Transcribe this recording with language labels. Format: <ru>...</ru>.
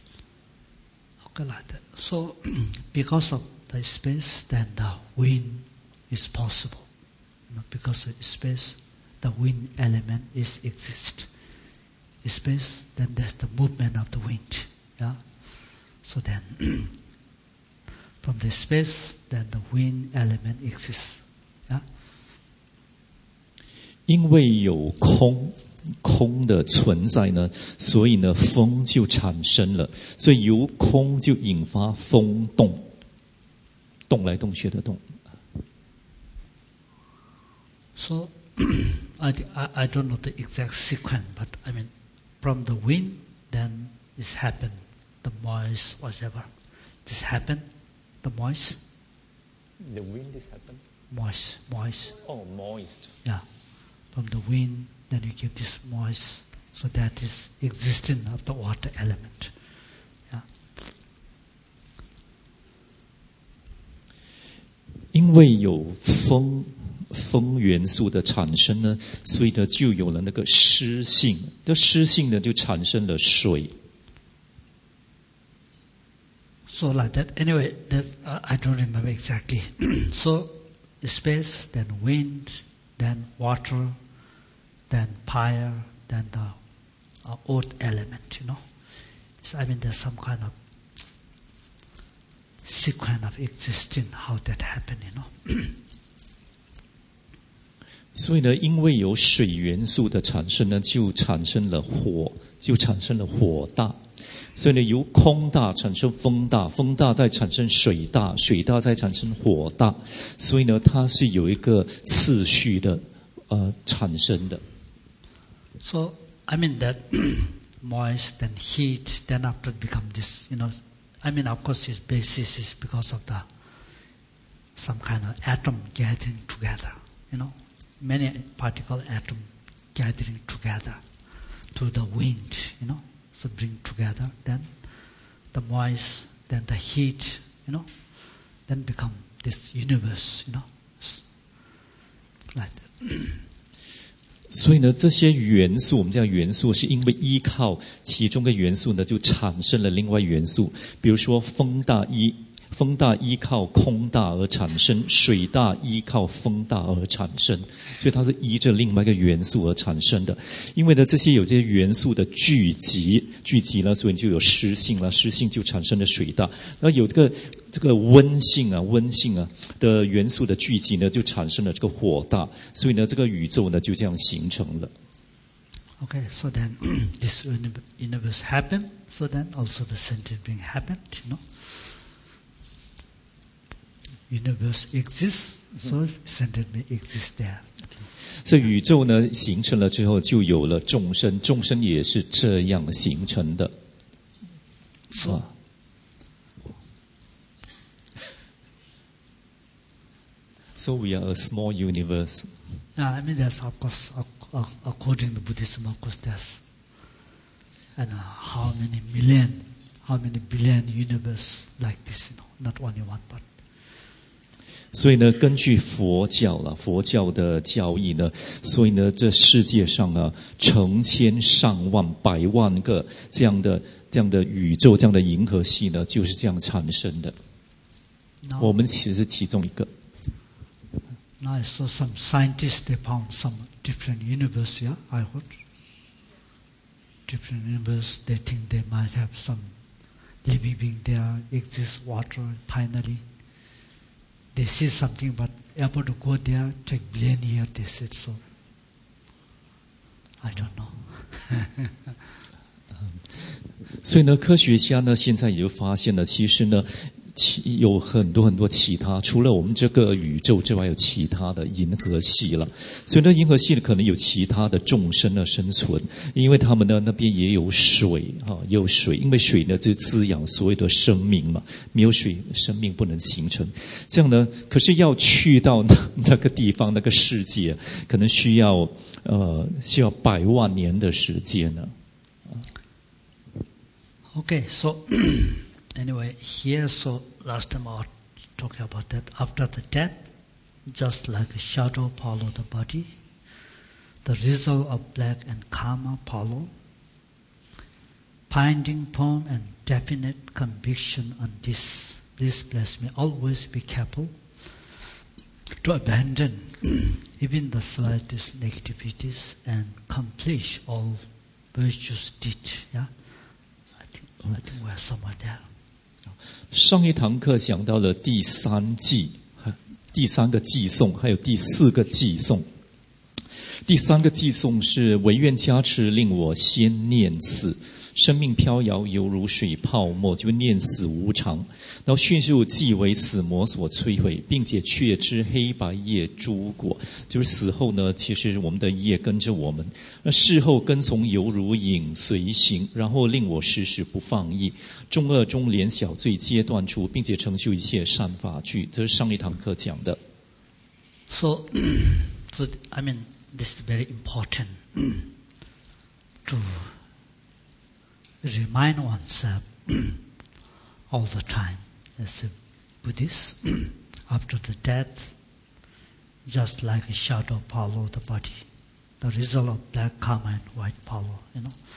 <zh>这个元素啊，地、疏、火、风、空、时呢，我们可以从宇宙的形成来讲，我们这个我们的宇宙的形成呢，需要有空的元素，因为如果没有空的话呢，就任何东西都不能形成了。</zh> <en>Okay, like that. So because of the space, then the wind is possible. Because of space, the wind element is exist. In space, then there's the movement of the wind. Yeah. So then, from the space, then the wind element exists. Yeah.</en> <zh>因为有空的存在呢，所以呢，风就产生了。所以由空就引发风动，动来动去的动。</zh> <en>So, I don't know the exact sequence, but I mean, from the wind, then this happened, the moist, whatever. This happened, the moist. The wind, this happened? Moist. Oh, moist. Yeah. From the wind, then you give this moist, so that is existence of the water element. Yeah.</en> <zh>因为有风风元素的产生呢，所以呢就有了那个湿性，这湿性呢就产生了水。</zh> <en>So like that. Anyway, I don't remember exactly. So, space, then wind, then water, then fire, then the earth element. You know, so, I mean, there's some kind of sequence of existing. How that happened? You know.</en> <zh>所以呢，因为有水元素的产生呢，就产生了火，就产生了火大。所以呢，由空大产生风大，风大再产生水大，水大再产生火大。所以呢，它是有一个次序的，产生的。</zh> <en>So I mean that moist, then heat, then after become this. You know, I mean of course its basis is because of the some kind of atom gathering together. You know. Many particle atom gathering together through the wind, you know, so bring together, then the moist, then the heat, you know, then become this universe, you know, like that.</en> <zh>所以呢，这些元素我们叫元素，是因为依靠其中的元素呢，就产生了另外元素，比如说风大一。风大依靠空大而产生，水大依靠风大而产生，所以它是依着另外一个元素而产生的。因为呢，这些有这些元素的聚集了，所以就有湿性了，湿性就产生了水大。那有这个温性啊的元素的聚集呢，就产生了这个火大。所以呢，这个宇宙呢就这样形成了。</zh> <en>Okay, so then this universe happened. So then also the sentient being happened, you know. Universe exists, so sentient being exists there.</en> <zh>所以宇宙呢形成了之后，就有了众生，众生也是这样形成的。</zh> <en>So, so we are a small universe. Yeah, I mean that's of course according to Buddhism, of course that's and how many billion universe like this, you know, not only one, but.</en> <zh>所以呢，根据佛教了，佛教的教义呢，所以呢，这世界上啊，成千上万、百万个这样的宇宙、这样的银河系呢，就是这样产生的。</zh> <en>Now,</en> <zh>我们其实是其中一个。</zh> <en>Now I saw some scientists they found some different universe. Yeah, I heard different universe. They think they might have some living being there, exist water finally. They see something, but able to go there take billion years. They said so. I don't know.</en> <zh>所以呢，科学家呢，现在也就发现了，其实呢，有很多很多其他，除了我们这个宇宙之外，有其他的银河系了。所以呢，银河系可能有其他的众生的生存，因为他们呢那边也有水啊，有水，因为水呢就滋养所有的生命嘛，没有水，生命不能形成。这样呢，可是要去到那个地方那个世界，可能需要百万年的时间呢。</zh> <en>Okay, so. Anyway, here, so last time I was talking about that, after the death, just like a shadow follow the body, the result of black and karma follow, binding firm and definite conviction on this. Please bless me. Always be careful to abandon even the slightest negativities and accomplish all virtuous deeds. Yeah? I think we're somewhere there.</en> <zh>上一堂课讲到了第三祭，第三个祭诵，还有第四个祭诵。第三个祭诵是唯愿加持令我先念此，生命飘摇犹如水泡沫，就念死无常，然后迅速即为死魔所摧毁，并且却知黑白业诸果，就是死后呢，其实我们的业跟着我们，那事后跟从犹如影随形，然后令我时时不放逸，中恶中连小罪皆断除，并且成就一切善法具，这是上一堂课讲的。</zh> <en>So, so I mean, this is very important to remind oneself all the time as a Buddhist. After the death, just like a shadow follow the body, the result of black karma and white follow, you know.</en>